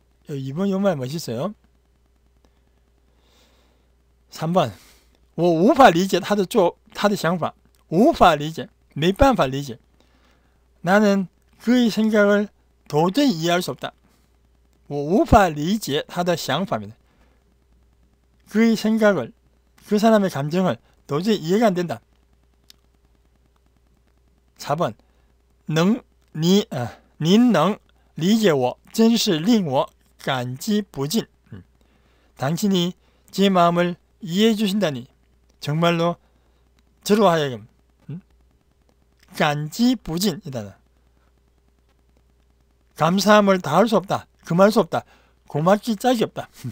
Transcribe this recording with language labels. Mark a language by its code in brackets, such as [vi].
[ko] 이번 요말 멋있어요. [zh] 3번. 我无法理解他的想法. 无法理解, 没办法理解. [ko] 나는 그의 생각을 도저히 이해할 수 없다. [zh] 我无法理解他的想法입니다. [ko] 그의 생각을, 그 사람의 감정을 도저히 이해가 안 된다. 4번. [zh] 您能理解我真是令我感激不尽. [ko] 당신이 제 마음을 이해해 주신다니 정말로 저로 하여금 감지부진. 이 감사함을 다할 수 없다, 금할 수 없다, 고맙기 짝이 없다.